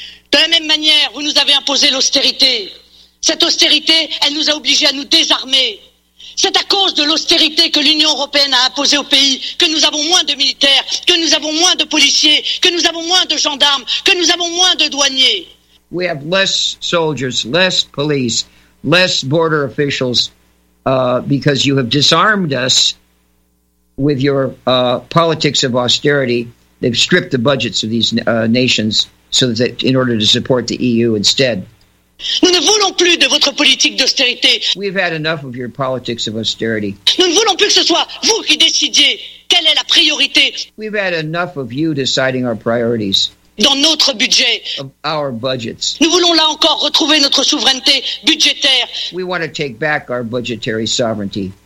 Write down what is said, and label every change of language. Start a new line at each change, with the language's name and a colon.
French: De la même manière, vous nous avez imposé l'austérité. Cette austérité, elle nous a obligés à nous désarmer. C'est à cause de l'austérité que l'Union européenne a imposée au pays que nous avons moins de militaires, que nous avons moins de policiers, que nous avons moins de gendarmes, que nous avons moins de douaniers.
English: We have less soldiers, less police, less border officials because you have disarmed us with your politics of austerity. They've stripped the budgets of these nations so that in order to support the EU instead.
French: Nous ne voulons plus de votre politique d'austérité.
English: We've had enough of your politics of austerity.
French: Nous ne voulons plus que ce soit vous qui décidiez quelle est la priorité.
English: We've had enough of you deciding our priorities.
French: Dans notre budget.
English: Of our budgets.
French: Nous voulons là encore retrouver notre souveraineté budgétaire.
English: We want to take back our budgetary sovereignty.